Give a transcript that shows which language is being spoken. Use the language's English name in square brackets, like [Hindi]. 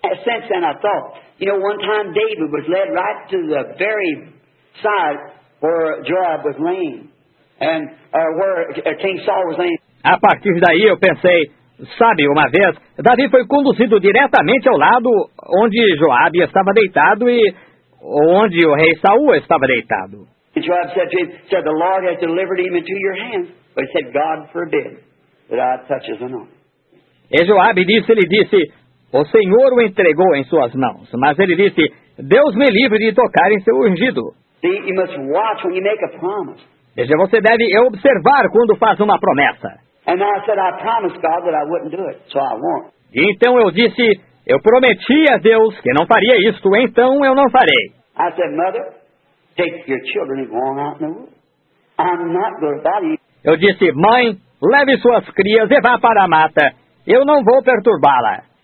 [English] Since then I thought, you know, one time David was led right to the very side where Joab was laying, and where King Saul was laying. [Portuguese] A partir daí eu pensei, sabe, uma vez, Davi foi conduzido diretamente ao lado onde Joab estava deitado e onde o rei Saul estava deitado. [English] And Joab said to him, said, the Lord has delivered him into your hands. But he said, God forbid that I touch his anointed. [Portuguese] E Joab disse, ele disse, o Senhor o entregou em suas mãos. Mas ele disse, Deus me livre de tocar em seu ungido. [English] See, you must watch when you make a promise. [Portuguese] Veja, você deve observar quando faz uma promessa. [English] And I said, I promised God that I wouldn't do it, so I won't. [Portuguese] E então eu disse, eu prometi a Deus que não faria isto, então eu não farei. [English] I said, mother, take your children and go on out in the woods. I'm not going to bother you. [Portuguese] Eu disse, mãe, leve suas crias e vá para a mata. Eu não vou perturbá-la.